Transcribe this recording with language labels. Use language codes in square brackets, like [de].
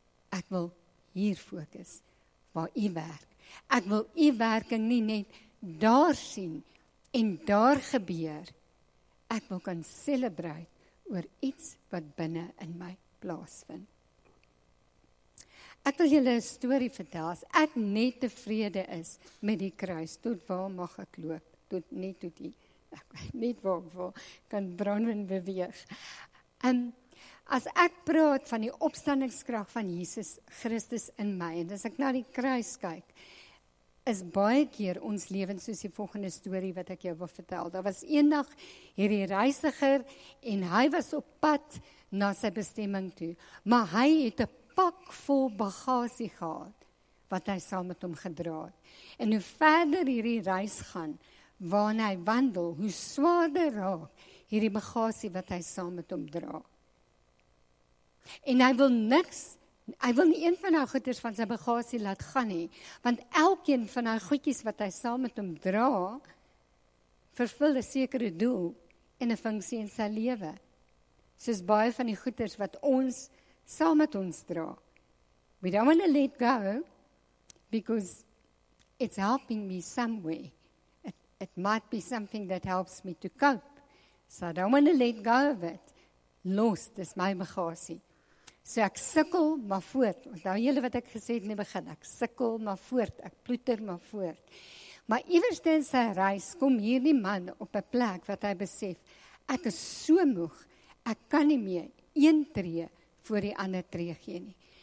[af] Ek wil hier fokus, waar u werk. Ek wil u werking nie net daar sien en daar gebeur. Ek wil kan celebrate oor iets wat binne in my plaasvind. Ek wil julle 'n storie vertel. As ek net tevrede is met die kruis, tot waar mag ek loop? Tot net tot die, ek weet net waar ek wil, kan Bronwyn beweeg. As ek praat van die opstandingskrag van Jesus Christus in my, en as ek na die kruis kyk, is baie keer ons lewens soos die volgende storie wat ek jou wil vertel. Daar was eendag hierdie reisiger en hy was op pad na sy bestemming toe, maar hy het 'n pak vol bagasie gehad wat hy saam met hom gedra het. En hoe verder hierdie reis gaan, waarna hy wandel, hoe swaarder raak hierdie bagasie wat hy saam met hom dra. En hy wil niks, hy wil nie een van die goeders van sy bagasie laat gaan nie, want elkeen van die goedjies wat hy saam met hom dra, vervul 'n sekere doel en 'n funksie in sy lewe. Soos baie van die goeders wat ons saam met ons dra. [en] We don't want to let go, because it's helping me somewhere. It might be something that helps me to cope. So I don't want to let go of it. [af] Los, dis my bagasie. So ek sikkel maar voort. Onthou julle wat ek gesê het in die begin. Ek sikkel maar voort. Ek ploeter maar voort. Maar iewers in sy reis kom hierdie man op 'n plek wat hy besef. Ek is so moeg. Ek kan nie meer een tree voor die ander tree gee nie.